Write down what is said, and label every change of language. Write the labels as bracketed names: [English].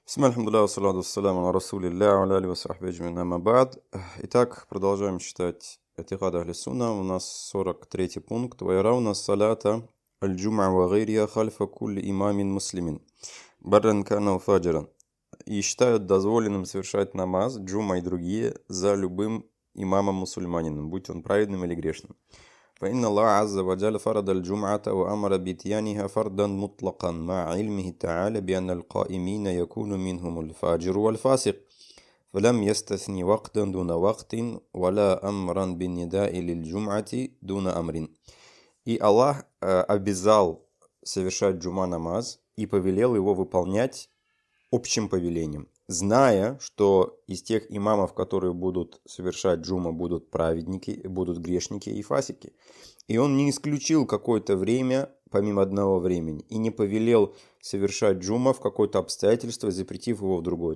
[Arabic] بسم الله الحمد لله والصلاة والسلام على رسول الله وعلى آله وصحبه أجمعين. أما بعد، [Russian] итак, продолжаем читать [Arabic] اعتقاد أهل السنة. [Russian] У нас 43 пункт. [Arabic] ويرون الصلاة الجمعة وغيرها خلف كل إمام مسلم برا كان أو فاجرا. [Russian] И считают дозволенным совершать намаз, джума и другие за любым имамом мусульманином, будь он праведным или грешным. [Arabic] فإن الله عز وجل فرض الجمعة وأمر بإتيانها فردا مطلقا مع علمه تعالى بأن القائمين يكون منهم الفاجر والفاسق فلم يستثني وقتا دون وقت ولا أمرا بالنداء للجمعة دون أمر. [Russian] И Аллах обязал совершать джума намаз и повелел его выполнять общим повелением, зная, что из тех имамов, которые будут совершать джума, будут праведники, будут грешники и фасики. И он не исключил какое-то время, помимо одного времени, и не повелел совершать джума в какое-то обстоятельство, запретив его в другое.